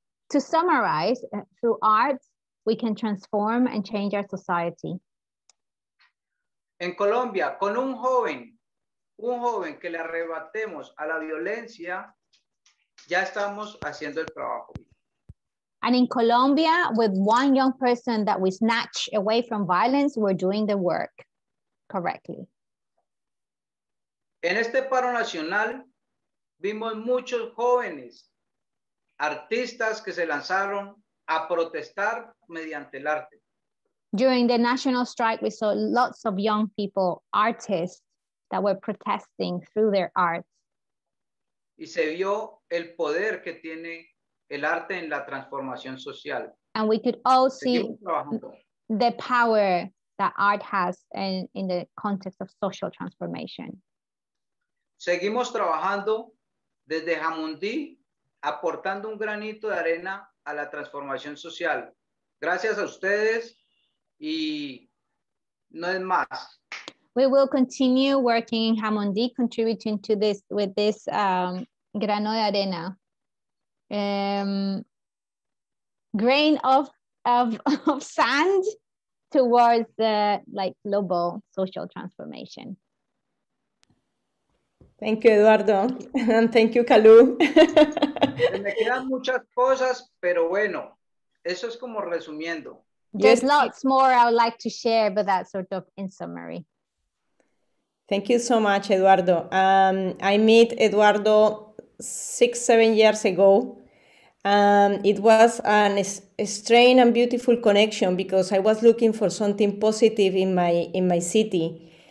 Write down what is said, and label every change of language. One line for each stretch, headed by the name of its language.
English: To summarize, through art, we can transform and change our society.
Spanish: En Colombia, con un joven que le arrebatemos a la violencia, ya estamos haciendo el trabajo.
English: And in Colombia, with one young person that we snatch away from violence, we're doing the work correctly.
Spanish: En este paro nacional, vimos muchos jóvenes artistas que se lanzaron a protestar mediante el arte.
English: During the national strike, we saw lots of young people, artists, that were protesting through their art.
Spanish: Y se vio el poder que tiene el arte en la transformación social.
English: And we could all see the power that art has in the context of social transformation.
Spanish: Seguimos trabajando desde Jamundí aportando un granito de arena a la transformación social. Gracias a ustedes y no es más.
English: We will continue working in Jamundí, contributing to this with this
Spanish: grano de arena.
English: Grain of sand towards the like global social transformation. Thank you, Eduardo. And thank you, Calú.
Spanish: Me quedan muchas cosas, pero bueno, eso es como resumiendo.
English: There's lots more I would like to share, but that's sort of in summary. Thank you so much, Eduardo. I met Eduardo 6-7 years ago. It was a strange and beautiful connection because I was looking for something positive in my city.